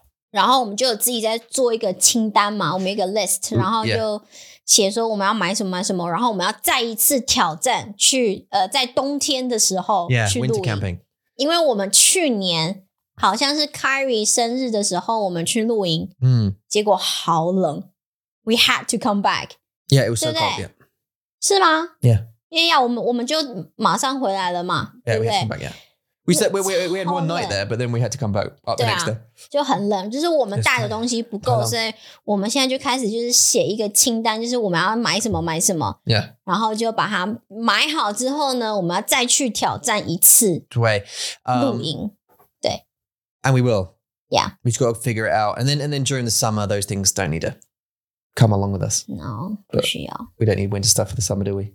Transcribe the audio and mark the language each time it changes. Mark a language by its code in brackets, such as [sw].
[zh] 然后我们就自己在做一个清单嘛，我们一个 list， 然后就写说我们要买什么买什么，然后我们要再一次挑战去在冬天的时候去露营。 [en] Yeah, winter camping. [zh] 因为我们去年好像是 Kyrie 生日的时候我们去露营，结果好冷。 [en] We had to come back. Yeah, it was so cold. Yeah. [zh] 是吗？ [en] Yeah. [zh] 因为我们就马上回来了嘛， [en] yeah, [zh] 对不对？ [en] We had to come back, yeah. We said we had one night there, but then we had to come back up the next day. [zh] 就很冷，就是我们带的东西不够，所以我们现在就开始就是写一个清单，就是我们要买什么买什么。 [en] Yeah. [zh] 然后就把它买好之后呢，我们要再去挑战一次。对，露营。对。 [en] And we will. Yeah. We just got to figure it out, and then during the summer, those things don't need to come along with us. [zh] No, 不需要。 [en] We don't need winter stuff for the summer, do we?